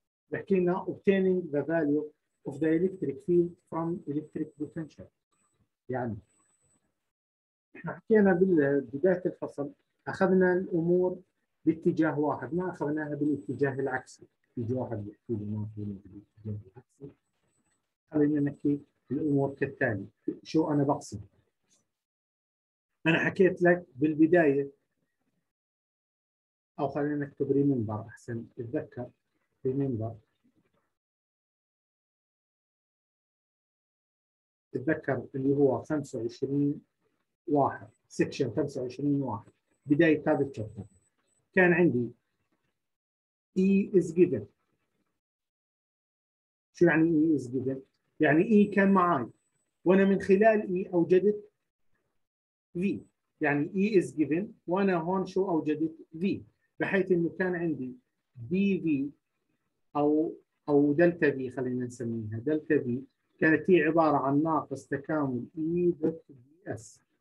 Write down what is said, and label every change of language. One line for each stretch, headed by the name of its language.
Arabic: بحكي لنا
English: obtaining the value of the electric field from electric potential.
Arabic: يعني احنا حكينا بداية الفصل اخذنا الامور باتجاه واحد، ما اخذناها بالاتجاه العكسي. يجي واحد يحكي لي ما في الاتجاه العكسي. خلينا نحكي الامور كالتالي. شو انا بقصد؟ انا حكيت لك بالبداية، او خلينا نكتب ريمبر احسن، اتذكر ريمبر، تتذكر اللي هو 25-1 سكشن 25-1 بداية هذا الشابتر. كان عندي
English: E is given.
Arabic: شو يعني
English: E is given؟
Arabic: يعني E كان معي وأنا من خلال E أوجدت V. يعني
English: E is given
Arabic: وأنا هون شو أوجدت V، بحيث إنه كان عندي dV أو دلتا V، خلينا نسميها دلتا V، كانت هي عبارة عن ناقص تكامل E ضد S.